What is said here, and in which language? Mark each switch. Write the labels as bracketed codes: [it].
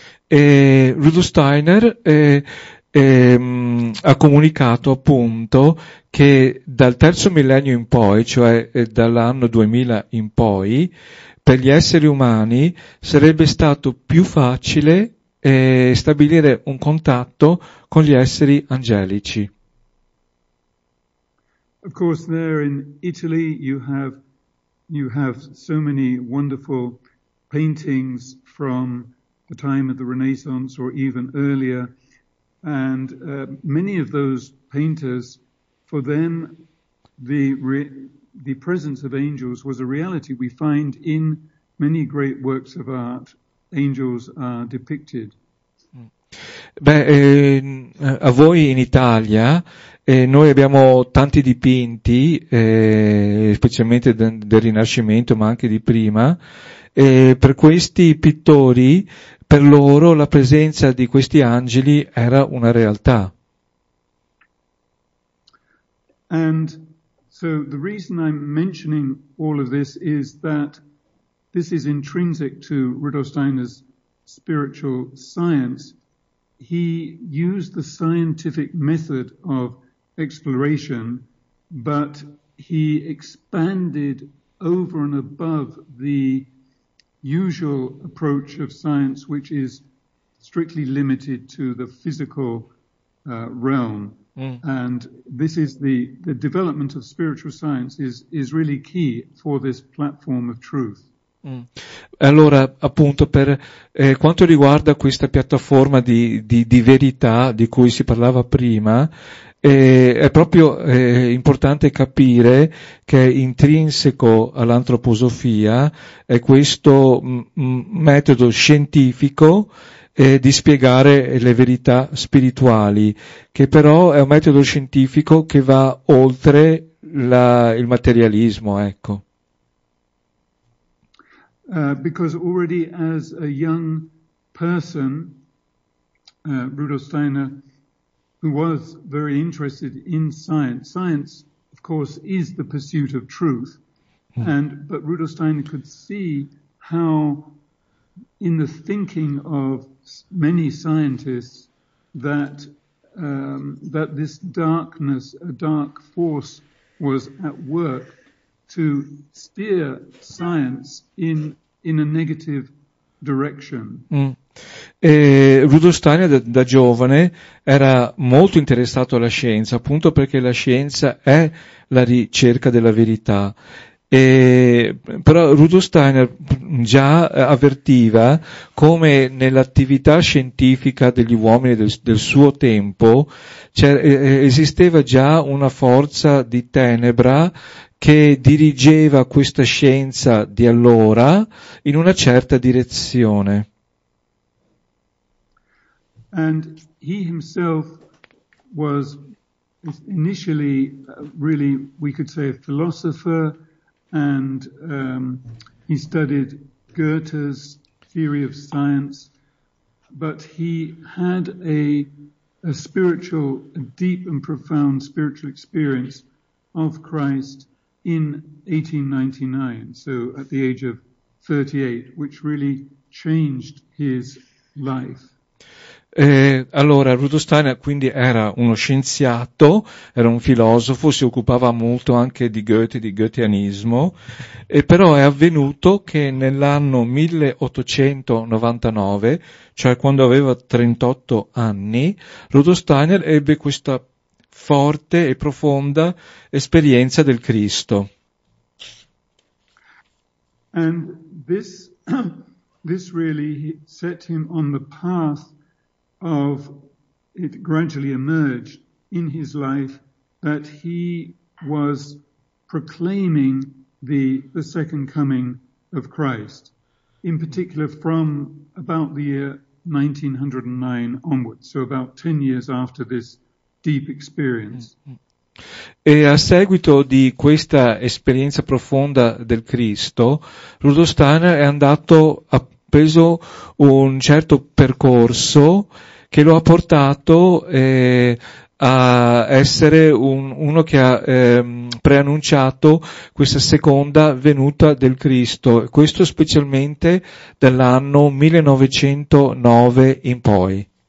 [it] Rudolf Steiner ha comunicato appunto che dal terzo millennio in poi, cioè dall'anno 2000 in poi, per gli esseri umani sarebbe stato più facile stabilire un contatto con gli esseri angelici. [en] Of course, there in Italy you have so many wonderful paintings from the time of the Renaissance or even earlier, and many of those painters, for them the presence of angels was a reality. We find in many great works of art angels are depicted. [it] A voi in Italia, noi abbiamo tanti dipinti, specialmente del Rinascimento, ma anche di prima, per questi pittori, per loro la presenza di questi angeli era una realtà. [en] And so the reason I'm mentioning all of this is that this is intrinsic to Rudolf Steiner's spiritual science, he used the scientific method of exploration, but he expanded over and above the usual approach of science, which is strictly limited to the physical realm. Mm. And this is the development of spiritual science is really key for this platform of truth. Mm. [it] Allora, appunto, per quanto riguarda questa piattaforma di verità di cui si parlava prima, è proprio importante capire che intrinseco all'antroposofia è questo metodo scientifico di spiegare le verità spirituali, che però è un metodo scientifico che va oltre il materialismo, ecco. [en] Because already as a young person, Rudolf Steiner, who was very interested in science, science, of course, is the pursuit of truth. Mm. But Rudolf Steiner could see how in the thinking of many scientists that this darkness, a dark force, was at work to steer science in a negative direction. Mm. [it] Rudolf Steiner da giovane era molto interessato alla scienza, appunto perché la scienza è la ricerca della verità. Però Rudolf Steiner già avvertiva come nell'attività scientifica degli uomini del suo tempo esisteva già una forza di tenebra che dirigeva questa scienza di allora in una certa direzione. [en] And he himself was initially really, we could say, a philosopher. And he studied Goethe's theory of science, but he had a spiritual, a deep and profound spiritual experience of Christ in 1899, so at the age of 38, which really changed his life. [it] Allora, Rudolf Steiner quindi era uno scienziato, era un filosofo, si occupava molto anche di Goethe, di goetheanismo, e però è avvenuto che nell'anno 1899, cioè quando aveva 38 anni, Rudolf Steiner ebbe questa forte e profonda esperienza del Cristo. [en] And this really set him on the path of it. Gradually emerged in his life that he was proclaiming the second coming of Christ, in particular from about the year 1909 onwards, so about 10 years after this deep experience. [it] E a seguito di questa esperienza profonda del Cristo, Rudolf Steiner è andato, ha preso un certo percorso che lo ha portato a essere uno che ha preannunciato questa seconda venuta del Cristo, questo specialmente dall'anno 1909 in poi.